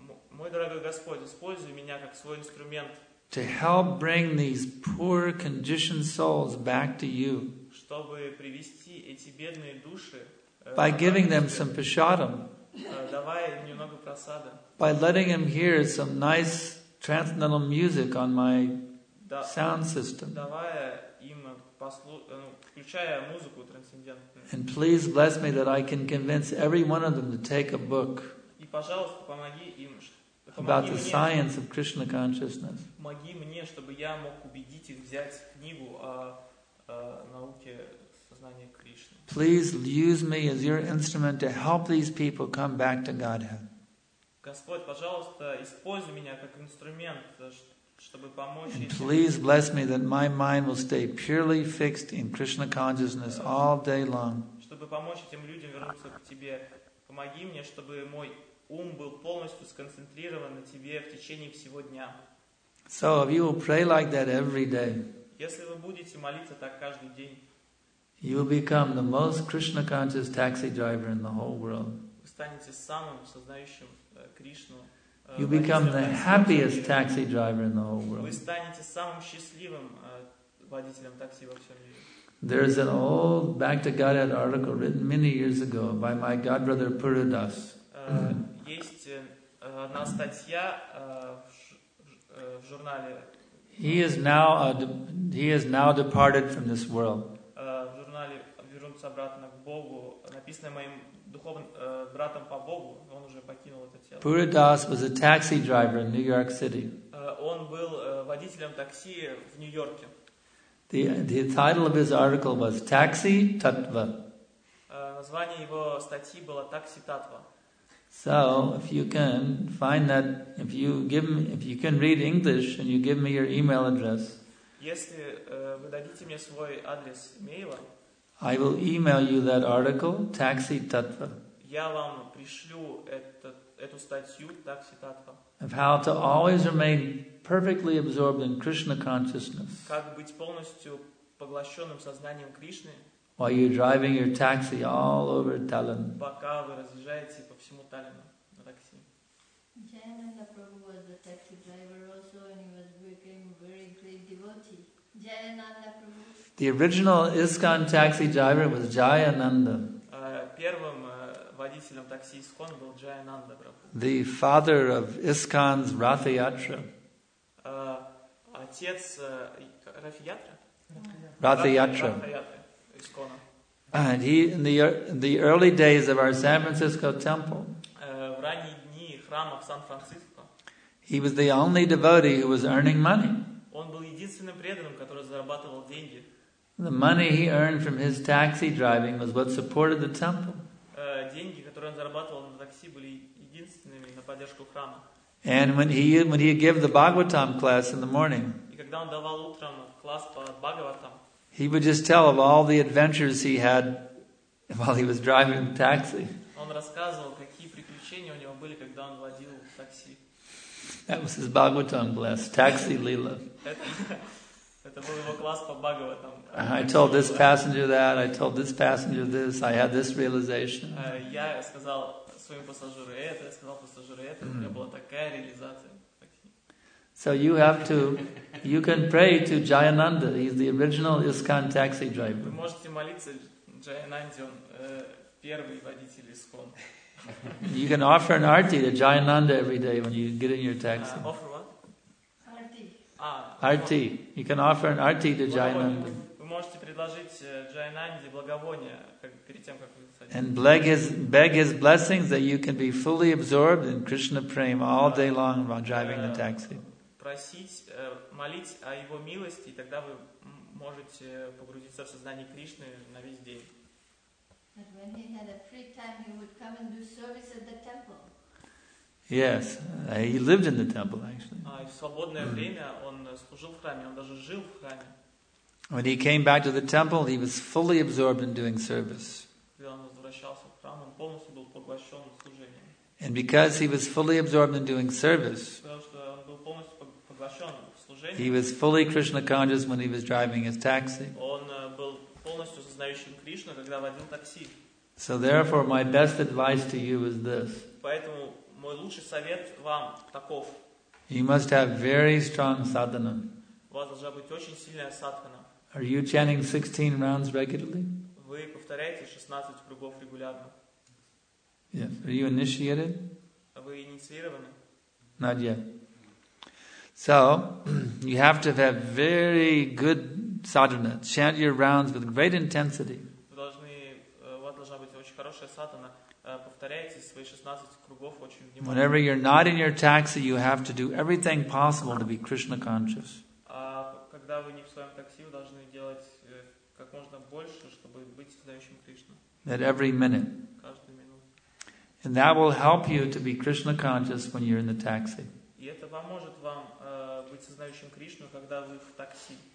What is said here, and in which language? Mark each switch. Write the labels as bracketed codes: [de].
[ru] Мой дорогой Господь, используй меня как свой инструмент. [en] To help bring these poor conditioned souls back to you. [ru] Чтобы привести эти бедные души. [en] By giving them some prasadam. [ru] Давая им немного просады. [en] By letting them hear some nice transcendental music on my sound system. [ru] Давая им включая музыку трансцендентную. [en] And please bless me that I can convince every one of them to take a book. [ru] И пожалуйста, помоги им. [en] About the science of Krishna consciousness. [ru] Помоги мне, чтобы я мог убедить их взять книгу о науке сознания Кришны. [en] Please use me as your instrument to help these people come back to Godhead. [ru] Господь, пожалуйста, используй меня как инструмент, чтобы помочь. [en] And please bless me that my mind will stay purely fixed in Krishna consciousness all day long. [ru] Чтобы помочь этим людям вернуться к тебе, помоги мне, чтобы мой ум был полностью сконцентрирован на тебе в течение всего дня. [en] So if you will pray like that every day, [ru] если вы будете молиться так каждый день, [en] you will become the most Krishna conscious taxi driver in the whole world. [ru] Вы станете самым сознающим Кришну. [en] You become the happiest taxi driver in the whole world. [ru] Вы станете самым счастливым водителем такси во всем мире. [en] There is an old Back to Godhead article written many years ago by my godbrother Purudas. [ru] Есть одна статья в журнале. [en] He is now departed from this world. [ru] В журнале «Вернуться обратно к Богу», написанное моим духовным братом по Богу, он уже покинул это тело. [en] Purudas was a taxi driver in New York City. [ru] Он был водителем такси в Нью-Йорке. [en] The title of his article was «Taxi Tattva». [ru] Название его статьи было «Taxi Tattva». [en] So, if you can find that, if you can read English and you give me your email address, [ru] если вы дадите мне свой адрес мейла, [en] I will email you that article, Taxi Tattva. [ru] Я вам пришлю эту статью Taxi Tattva. [en] Of how to always remain perfectly absorbed in Krishna consciousness. [ru] Как быть полностью поглощенным сознанием Кришны. [en] While you're driving your taxi all over Tallinn. [ru] Пока вы разъезжаете по всему Таллину на такси. [en] Jayananda Prabhu was a taxi driver also, and he was became a very great devotee. Jayananda Prabhu. The original ISKCON taxi driver was Jayananda. [ru] Первым водителем такси ISKCON был Jayananda Prabhu. [en] The father of ISKCON's Rath Yatra. [ru] Отец Rath Yatra. Rath Yatra. [en] And he in the early days of our San Francisco temple. [ru] В ранние дни храма в Сан-Франциско. [en] He was the only devotee who was earning money. [ru] Он был единственным преданным, который зарабатывал деньги. [en] The money he earned from his taxi driving was what supported the temple. [ru] Деньги, которые он зарабатывал на такси, были единственными на поддержку храма. [en] And when he gave the Bhagavatam class in the morning. [ru] И когда он давал утром класс по Бхагаватам. [en] He would just tell of all the adventures he had while he was driving the taxi. [ru] Он рассказывал, какие приключения у него были, когда он водил такси. [en] That was his Bhagavatam class, Taxi Leela. [ru] Это был его класс по Бхагаватам. [en] I told this passenger that, I told this passenger this, I had this realization. [ru] Я сказал своему пассажиру это, я сказал пассажиру это, у меня была такая реализация. [en] So you have to, you can pray to Jayananda. He's the original ISKCON taxi driver. [ru] Вы можете молиться Джайананде, он первый водитель ISKCON. [en] You can offer an arti to Jayananda every day when you get in your taxi. Offer what? Arti. Arti. You can offer an arti to Jayananda. [ru] Вы можете предложить Джайананде благовоние перед тем, как вы садитесь. [en] And beg his blessings that you can be fully absorbed in Krishna prema all day long while driving the taxi. [ru] Просить, молить о его милости, и тогда вы можете погрузиться в сознание Кришны на весь день. [en] But when he had a free time, he would come and do service at the temple. Yes, he lived in the temple actually. [ru] А в свободное время он служил в храме, он даже жил в храме. [en] When he came back to the temple, he was fully absorbed in doing service. [ru] Когда он возвращался в храм, он полностью был поглощен служением. [en] And because he was fully absorbed in doing service, [ru] потому что он был полностью поглощен служением, [en] he was fully Krishna conscious when he was driving his taxi. [ru] Он был полностью сознающим Кришну, когда водил такси. [en] So therefore, my best advice to you is this. [ru] Поэтому мой лучший совет вам таков. [en] You must have very strong sadhana. [ru] У вас должна быть очень сильная садхана. [en] Are you chanting 16 rounds regularly? [ru] Вы повторяете 16 кругов регулярно? [en] Yes. Are you initiated? [ru] Вы инициированы? [en] Not yet. So, you have to have very good sadhana. Chant your rounds with great intensity. [ru] У вас должна быть очень хорошая садхана. Повторяйте свои 16 кругов очень внимательно. [en] Whenever you're not in your taxi, you have to do everything possible to be Krishna conscious. [ru] Когда вы не в своем такси, вы должны делать как можно больше, чтобы быть сознающим Кришну. [en] At every minute. [ru] Каждую минуту. [en] And that will help you to be Krishna conscious when you're in the taxi. [ru] И это поможет вам быть сознающим Кришну, когда вы в такси.